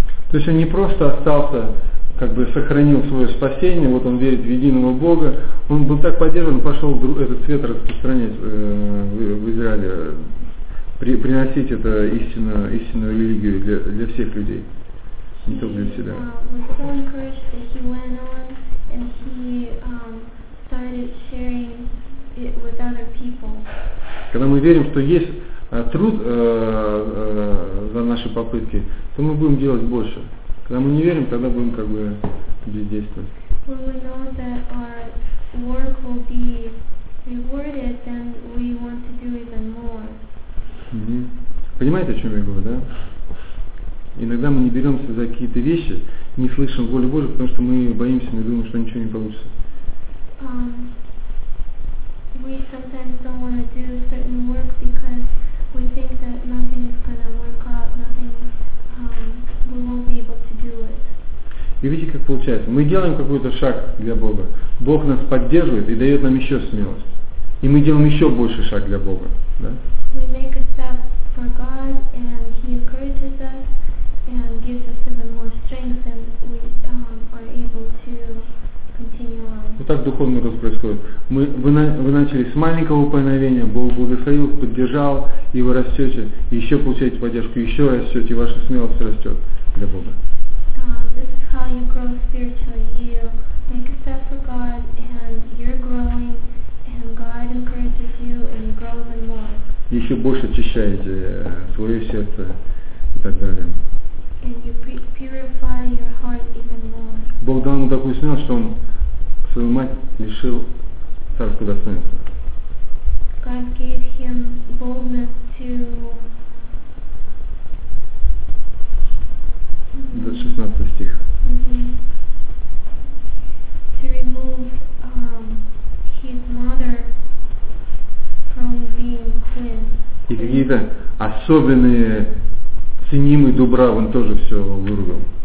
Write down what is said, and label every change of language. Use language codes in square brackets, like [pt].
[ru] То есть он не просто остался, как бы сохранил свое спасение, вот он верит в единого Бога, он был так поддержан, пошел этот свет распространять в Израиле, приносить это истинную религию для всех людей. [en] He was so encouraged that he went on and he started sharing it with other people. [ru] Когда мы верим, что есть труд за наши попытки, то мы будем делать больше. Когда мы не верим, тогда будем как бы бездействовать. [en] When we know that our work will be rewarded, then we want to do even more. [ru] Понимаете, о чем я говорю, да? Иногда мы не беремся за какие-то вещи, не слышим воли Божьей, потому что мы боимся, мы думаем, что ничего не получится. [en] We sometimes don't want to do certain work because we think that nothing is going to work out, nothing we won't be able to do it. [ru] И видите, как получается. Мы делаем какой-то шаг для Бога. Бог нас поддерживает и дает нам еще смелость. И мы делаем еще больше шаг для Бога. Да? [en] We make a step for God and He encourages us and gives us even more strength and we are able to continue on. [ru] Вот так духовный рост происходит. Вы начали с маленького упоминовения, Бог благословил, поддержал, и вы растете, и еще получаете поддержку, еще растете, и ваша смелость растет для Бога. [en] How you grow spiritually, you make a step for God and you're growing and God encourages you and you grow even more. [ru] Еще больше очищаете свое сердце и так далее. [en] And you purify your heart even more. [ru] Бог дал ему такую смелость, что он свою мать лишил царского достоинства. [en] God gave him boldness to... [ru] 16 стих. Mm-hmm. [en] To remove his mother from being queen. [ru] И какие-то особенные ценимые дубра, он тоже все вырубил.